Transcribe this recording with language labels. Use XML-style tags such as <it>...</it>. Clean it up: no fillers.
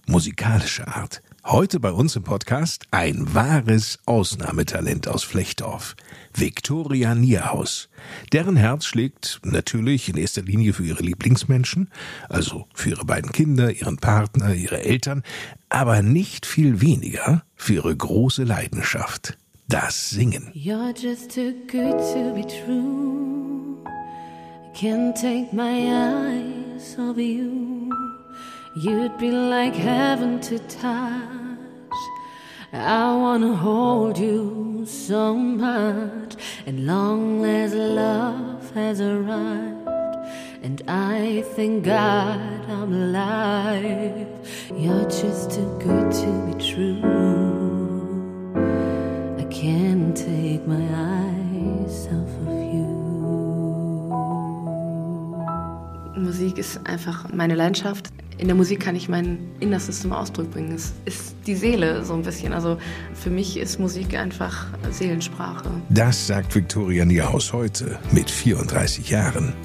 <de>Musikalische Art. Heute bei uns im Podcast ein wahres Ausnahmetalent aus Flechtdorf, Viktoria Nierhaus. Deren Herz schlägt natürlich in erster Linie für ihre Lieblingsmenschen, also für ihre beiden Kinder, ihren Partner, ihre Eltern, aber nicht viel weniger für ihre große Leidenschaft, das Singen.</de> <en>You're just too good to be true. I can't take my eyes off you. You'd be like heaven to touch. I wanna hold you so much. And long as love has arrived, and I thank God I'm alive. You're just too good to be true. I can't take my eyes off of you.</en> <de>Musik ist einfach meine Leidenschaft. In der Musik kann ich mein Innerstes zum Ausdruck bringen. Es ist die Seele so ein bisschen. Also für mich ist Musik einfach Seelensprache. Das sagt Viktoria Nierhaus heute mit 34 Jahren.</de>